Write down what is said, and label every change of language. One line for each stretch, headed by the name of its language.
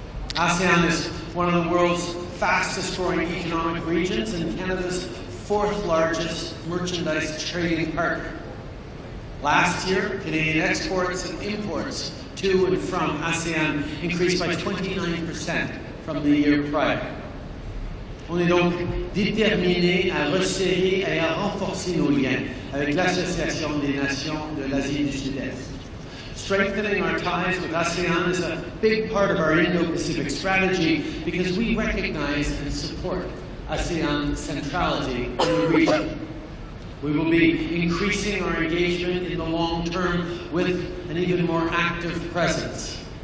English: ASEAN is one of the world's fastest-growing economic regions and Canada's fourth-largest merchandise trading partner. Last year, Canadian exports and imports to and from ASEAN increased by 29% from the year prior.
French: On est donc déterminés à resserrer et à renforcer nos liens avec l'Association des Nations de l'Asie du Sud-Est.
English: Strengthening our ties with ASEAN is a big part of our Indo-Pacific strategy because we recognize and support ASEAN's centrality in the region. We will be increasing our engagement in the long term with an even more active presence.